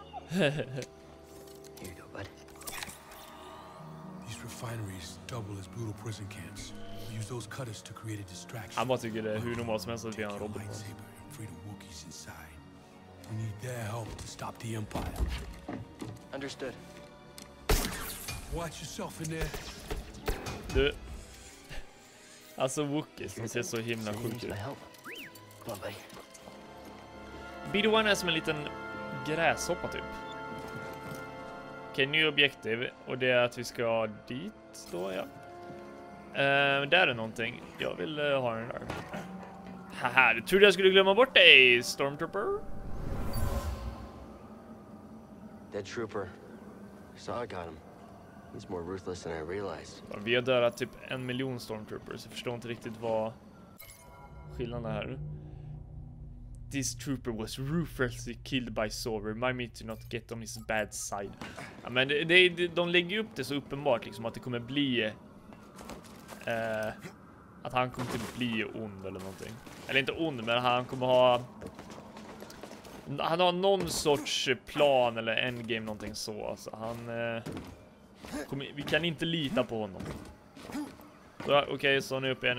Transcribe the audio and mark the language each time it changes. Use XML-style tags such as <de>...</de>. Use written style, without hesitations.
<en>Here you go, bud. These refineries double as brutal prison camps. We use those cutters to create a distraction. I'm about to get a who knows what's going on. Take your lightsaber and free the Wookiees inside. We need their help to stop the Empire. Understood. Watch yourself in there.</en> <sv>Du. Alltså Wookiees, de ser så himla sjuka ut. BD-1 är som en liten gräshoppa typ. Okej, okay, ny objektiv. Och det är att vi ska dit då, ja. Där är någonting. Jag vill ha den där. Haha, du trodde jag skulle glömma bort dig, Stormtrooper.</sv> <en>Dead trooper. I saw I got him. He's more ruthless than I realized.</en> <sv>Vi har dödat typ 1 miljon stormtroopers. Jag förstår inte riktigt vad skillnaden är.</sv> <en>This trooper was ruthlessly killed by Saw. Remind me to not get on his bad side.</en> <sv>Ja, men de lägger upp det så uppenbart liksom att det kommer bli att han kommer typ bli ond eller någonting. Eller inte ond, men han kommer ha han har någon sorts plan eller endgame någonting så. Alltså han vi kan inte lita på honom. Okej, så nu upp igen.</sv>